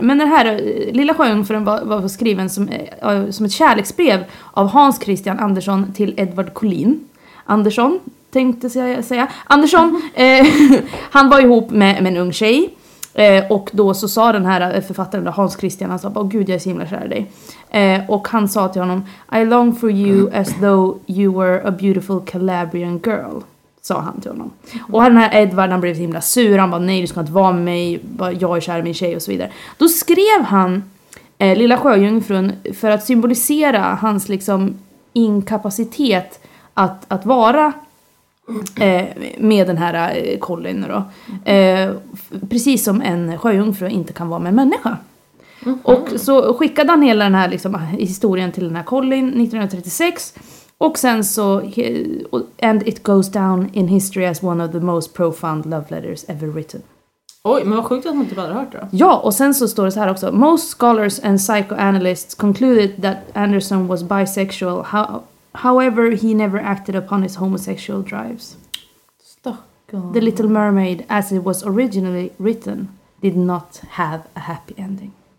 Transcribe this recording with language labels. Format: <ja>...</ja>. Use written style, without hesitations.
<sv>Men den här lilla sjöjungfrun var skriven som ett kärleksbrev av Hans Christian Andersson till Edvard Collin. Andersson, tänkte jag säga. Andersson, han var ihop med en ung tjej. Och då så sa den här författaren, Hans Christian, han sa, åh gud, jag är så himla kär i dig. Och han sa till honom,</sv> <en>I long for you as though you were a beautiful Calabrian girl.</en> <sv>Sa han till honom. Och den här Edvard, han blev himla sur. Han bara, nej, du ska inte vara med mig. Jag är kär i min tjej och så vidare. Då skrev han Lilla Sjöjungfrun för att symbolisera hans liksom inkapacitet att vara med den här Colin. Då. Precis som en sjöjungfru inte kan vara med en människa. Mm-hmm. Och så skickade han hela den här liksom historien till den här Colin 1936. Och sen så,</sv> <en>and it goes down in history as one of the most profound love letters ever written.</en> <sv>Oj, men vad sjukt att man inte bara hört det. Ja, och sen så står det så här också.</sv> <en>Most scholars and psychoanalysts concluded that Anderson was bisexual. However, he never acted upon his homosexual drives. Stockholm. The Little Mermaid, as it was originally written, did not have a happy ending.</en>